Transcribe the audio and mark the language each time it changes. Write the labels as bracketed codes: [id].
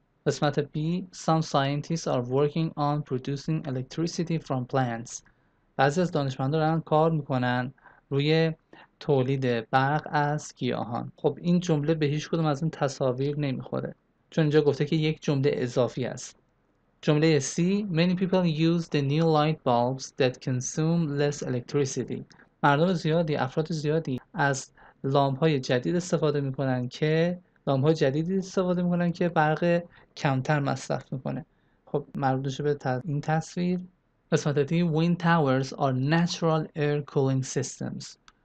[fa] قسمت B: [en] Some scientists are working on producing electricity from plants. [fa] بعضی از دانشمندان دارن کار میکنن روی تولید برق از گیاهان. خب این جمله به هیچ کدوم از این تصاویر نمیخوره، چون اینجا گفته که یک جمله اضافی است. جمله C: [en] Many people use the new light bulbs that consume less electricity. [fa] افراد زیادی از لامپ های جدید استفاده میکنن که برق کمتر مصرف میکنه. خب مربوط میشه به این تصویر. قسمت دی: [en] Wind towers are natural air cooling systems.